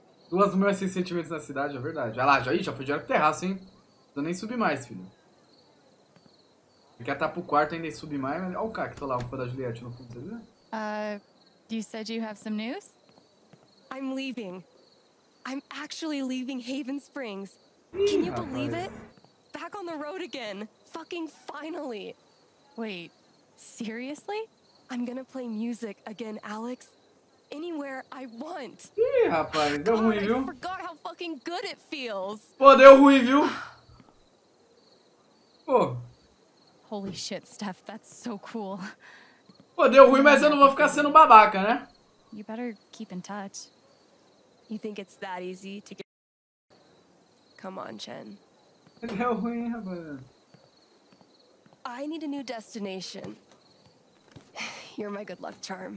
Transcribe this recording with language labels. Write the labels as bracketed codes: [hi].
[pt] Duas mulheres sem sentimentos na cidade, é verdade. Olha lá, já foi direto pro terraço, hein? Não nem subi mais, filho. Quer estar pro quarto ainda e subir mais, mas... Olha o cara que tô lá, um fã da Juliette no fundo, você viu? [en] You said you have some news? I'm leaving. I'm actually leaving Haven Springs. [pt] Ih, [en] can you [pt] rapaz. [en] Believe it? Back on the road again. Fucking finally. Wait, seriously? I'm gonna play music again, Alex. Anywhere I want. [pt] Ih, rapaz, deu ruim, viu? [en] I forgot how fucking good it feels. [pt] Pô, deu ruim, viu? Pô. [en] Holy shit, Steph, that's so cool. [pt] Pô, deu ruim, mas eu não vou ficar sendo babaca, né? [en] You better keep in touch. You think it's that easy to get... Come on, Chen. [pt] Deu ruim, rapaz. [en] I need a new destination. You're my good luck charm.